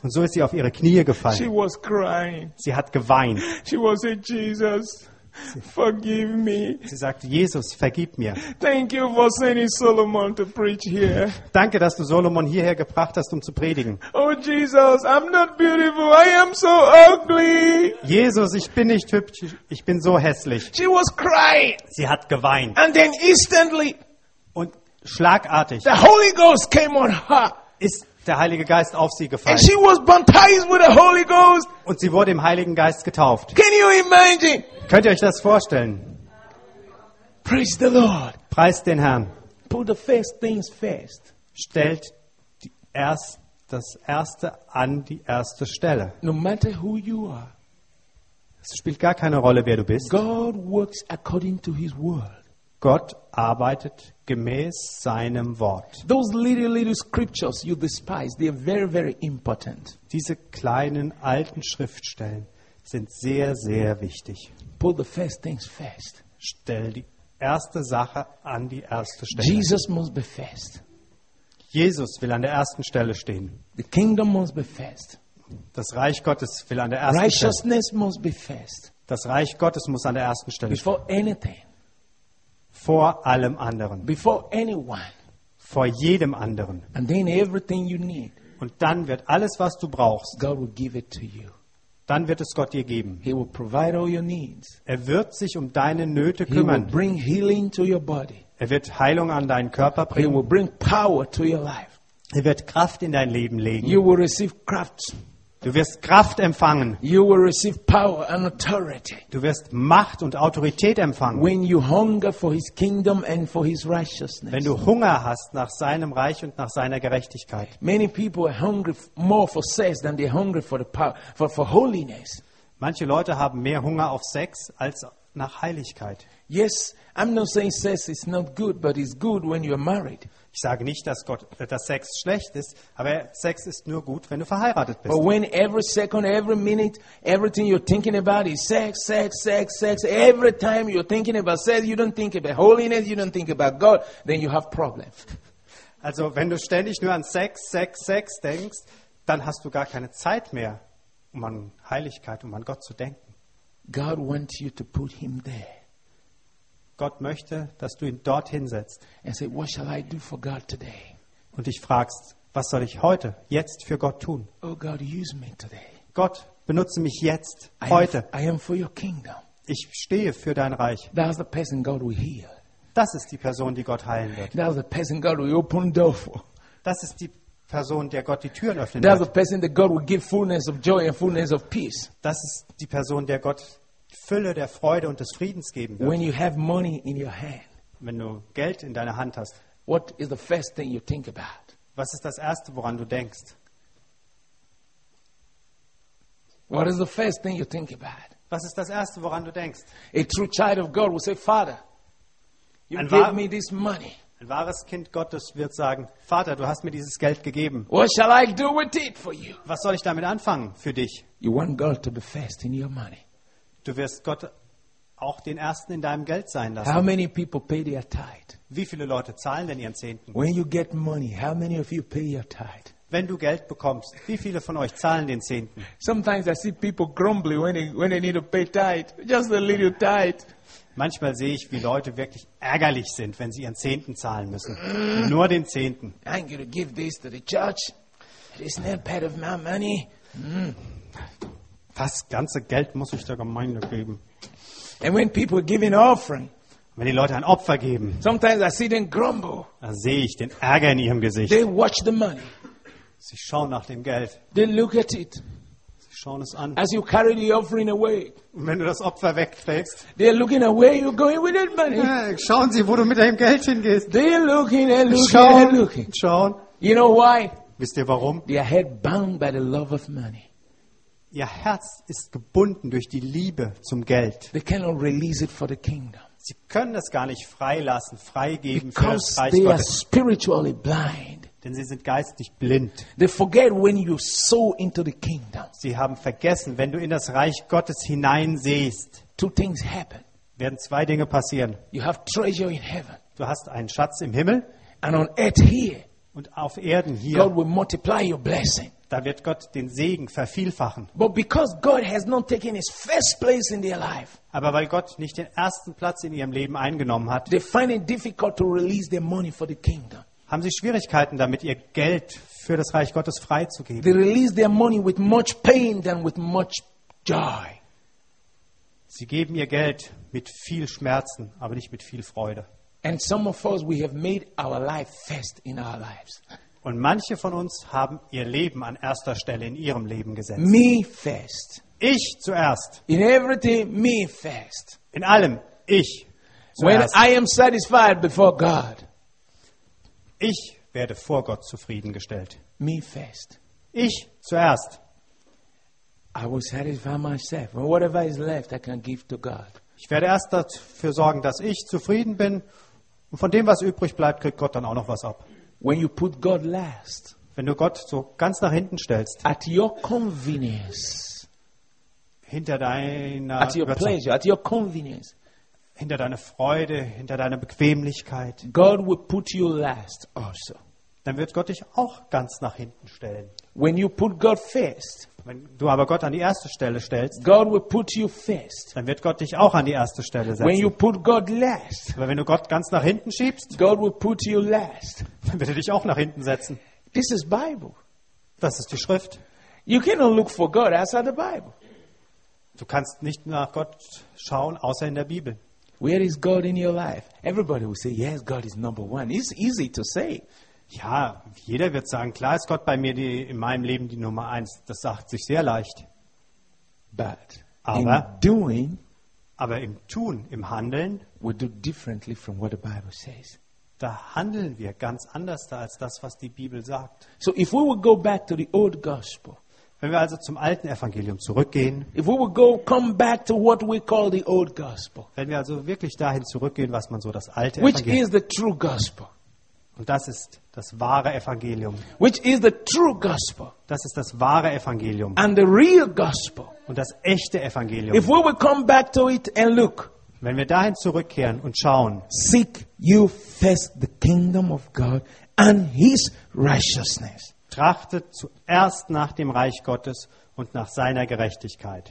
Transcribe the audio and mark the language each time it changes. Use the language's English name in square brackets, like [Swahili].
[German] Und so ist sie auf ihre Knie gefallen. [English] She was crying. [German] Sie hat geweint. Sie hat gesagt, [English] Jesus, forgive me. [German] Sie sagt, Jesus, vergib mir. [English] Thank you for sending Solomon to preach here. [German] Danke, dass du Solomon hierher gebracht hast, um zu predigen. [English] Oh Jesus, I'm not beautiful. I am so ugly. [German] Jesus, ich bin nicht hübsch. Ich bin so hässlich. [English] She was crying. [German] Sie hat geweint. [English] And then instantly, [German] und schlagartig, [English] the Holy Ghost came on her. [German] Ist der Heilige Geist auf sie gefallen. [English] And she was baptized with the Holy Ghost. [German] Und sie wurde im Heiligen Geist getauft. [English] Can you imagine? [German] Könnt ihr euch das vorstellen? [English] Praise the Lord. [German] Preist den Herrn. [English] Put the first things first. [German] Stellt das Erste an die erste Stelle. [English] No matter who you are. [German] Es spielt gar keine Rolle, wer du bist. [English] God works according to his word. [German] Gott arbeitet gemäß seinem Wort. [English] Those little scriptures you despise, they are very, very important. [German] Diese kleinen alten Schriftstellen sind sehr, sehr wichtig. [English] Put the first things first. [German] Stell die erste Sache an die erste Stelle. [English] Jesus must be first. [German] Jesus will an der ersten Stelle stehen. [English] The kingdom must be first. [German] Das Reich Gottes will an der ersten [English] Righteousness [German] Stelle. [English] Must be first. [German] Das Reich Gottes muss an der ersten Stelle [English] Before [German] stehen. [English] Anything. [German] Vor allem anderen. [English] Before anyone. [German] Vor jedem anderen. [English] And then everything you need. [German] Und dann wird alles, was du brauchst, [English] God will give it to you. [German] Dann wird es Gott dir geben. [English] He will provide all your needs. [German] Er wird sich um deine Nöte kümmern. [English] He will bring healing to your body. [German] Er wird Heilung an deinen Körper bringen. [English] He will bring power to your life. [German] Er wird Kraft in dein Leben legen. [English] You will receive Kraft. [German] Du wirst Kraft empfangen. [English] You will receive power and authority. [German] Du wirst Macht und Autorität empfangen. [English] When you hunger for his kingdom and for his righteousness. [German] Wenn du Hunger hast nach seinem Reich und nach seiner Gerechtigkeit. [English] Many people are hungry more for sex than they're hungry for the power for holiness. [German] Manche Leute haben mehr Hunger auf Sex als nach Heiligkeit. [English] Yes, I'm not saying sex is not good, but it's good when you're married. [German] Ich sage nicht, dass Gott, dass Sex schlecht ist, aber Sex ist nur gut, wenn du verheiratet bist. [English] But when every second, every minute, everything you're thinking about is sex, sex, sex, sex. Every time you're thinking about sex, you don't think about holiness, you don't think about God, then you have problems. [German] Also, wenn du ständig nur an Sex, Sex, Sex denkst, dann hast du gar keine Zeit mehr, um an Heiligkeit, um an Gott zu denken. [English] God wants you to put him there. [German] Gott möchte, dass du ihn dort hinsetzt. [English] And say, what shall I do for God today? [German] Und dich fragst, was soll ich heute, jetzt für Gott tun? [English] Oh God, use me today. [German] Gott, benutze mich jetzt, heute. [English] I am for your kingdom. [German] Ich stehe für dein Reich. [English] That's the person God will heal. [German] Das ist die Person, die Gott heilen wird. [English] That's the person God will open the door for. [German] Das ist die Person, der Gott die Türen öffnen wird. [English] That's the person that God will give fullness of joy and fullness of peace. [German] Das ist die Person, der Gott Fülle der Freude und des Friedens geben wird. [English] When you have money in your hand, [German] wenn du Geld in deiner Hand hast, [English] what is the first thing you think about? [German] Was ist das Erste, woran du denkst? [English] What is the first thing you think about? [German] Was ist das Erste, woran du denkst? [English] A true child of God will say, Father, you gave me this money. [German] Ein wahres Kind Gottes wird sagen, Vater, du hast mir dieses Geld gegeben. [English] What shall I do with it for you? [German] Was soll ich damit anfangen für dich? [English] You want God to be first in your money. [German] Du wirst Gott auch den Ersten in deinem Geld sein lassen. [English] How many people pay their tithe? [German] Wie viele Leute zahlen denn ihren Zehnten? [English] When you get money, how many of you pay your tithe? [German] Wenn du Geld bekommst, wie viele von euch zahlen den Zehnten? [English] Sometimes I see people grumbling when they need to pay tithe, just a little tithe. [German] Manchmal sehe ich, wie Leute wirklich ärgerlich sind, wenn sie ihren Zehnten zahlen müssen. Nur den Zehnten. [English] I'm going to give this to the church. It is not part of my money. [German] Das ganze Geld muss ich der Gemeinde geben. [English] And when people give an offering, [German] wenn die Leute ein Opfer geben, [English] sometimes I see them grumble. [German] Da sehe ich den Ärger in ihrem Gesicht. [English] They watch the money. [German] Sie schauen nach dem Geld. [English] They look at it. [German] Sie schauen es an. [English] As you carry the offering away. [German] Und wenn du das Opfer wegträgst, [English] they're looking at where you're going with that money. [German] Ja, schauen sie, wo du mit deinem Geld hingehst. [English] They're looking and looking, [German] schauen, [English] and looking. [German] Schauen. [English] You know why? [German] Wisst ihr warum? [English] They're head bound by the love of money. [German] Ihr Herz ist gebunden durch die Liebe zum Geld. [English] They cannot release it for the kingdom. [German] Sie können es gar nicht freilassen, freigeben [English] Because [German] für das Reich [English] they [German] Gottes. [English] Are spiritually blind. [German] Denn sie sind geistig blind. [English] They forget when you sow into the kingdom. [German] Sie haben vergessen, wenn du in das Reich Gottes hineinsehst, [English] two things happen. [German] Werden zwei Dinge passieren. [English] You have treasure in heaven. [German] Du hast einen Schatz im Himmel. [English] And on earth here, [German] und auf Erden hier, [English] God will multiply your blessing. [German] Da wird Gott den Segen vervielfachen. [English] But because God has not taken his first place in their life, [German] aber weil Gott nicht den ersten Platz in ihrem Leben eingenommen hat, [English] they find it difficult to release their money for the kingdom. [German] Haben sie Schwierigkeiten damit, ihr Geld für das Reich Gottes freizugeben. [English] They release their money with much pain than with much joy. [German] Sie geben ihr Geld mit viel Schmerzen, aber nicht mit viel Freude. [English] And some of us, we have made our life first in our lives. [German] Und manche von uns haben ihr Leben an erster Stelle in ihrem Leben gesetzt. [English] Me first. [German] Ich zuerst. [English] In everything, me first. [German] In allem, ich zuerst. [English] When I am satisfied before God. [German] Ich werde vor Gott zufriedengestellt. [English] Me first. [German] Ich zuerst. [English] I will satisfy myself. Whatever is left, I can give to God. [German] Ich werde erst dafür sorgen, dass ich zufrieden bin. Und von dem, was übrig bleibt, kriegt Gott dann auch noch was ab. [English] When you put God last, [German] wenn du Gott so ganz nach hinten stellst, [English] at your convenience, [German] hinter deiner [English] at your pleasure, at your convenience, [German] hinter deiner Freude, hinter deiner Bequemlichkeit, [English] God will put you last also. [German] Dann wird Gott dich auch ganz nach hinten stellen. [English] When you put God first, [German] wenn du aber Gott an die erste Stelle stellst, [English] God will put you first. [German] Dann wird Gott dich auch an die erste Stelle setzen. [English] When you put God last, [German] aber wenn du Gott ganz nach hinten schiebst, [English] God will put you last. [German] Dann wird er dich auch nach hinten setzen. [English] This is Bible. [German] Das ist die Schrift. [English] You cannot look for God outside the Bible. [German] Du kannst nicht nach Gott schauen außer in der Bibel. [English] Where is God in your life? Everybody will say, yes, God is number one. It's easy to say. [German] Ja, jeder wird sagen, klar ist Gott bei mir die, in meinem Leben die Nummer eins. Das sagt sich sehr leicht. [English] But [German] aber, [English] in doing, [German] aber im Tun, im Handeln, [English] we do differently from what the Bible says. [German] Da handeln wir ganz anders da als das, was die Bibel sagt. [English] So if we would go back to the old gospel, [German] wenn wir also zum alten Evangelium zurückgehen, [English] if we would go, come back to what we call the old gospel, [German] wenn wir also wirklich dahin zurückgehen, was man so das alte [English] which [German] Evangelium, [English] is the true gospel. [German] Und das ist das wahre Evangelium. [English] Which is the true gospel. [German] Das ist das wahre Evangelium. [English] And the real gospel. [German] Und das echte Evangelium. [English] If we will come back to it and look. [German] Wenn wir dahin zurückkehren und schauen. [English] Seek you first the kingdom of God and his righteousness. [German] Trachtet zuerst nach dem Reich Gottes und nach seiner Gerechtigkeit.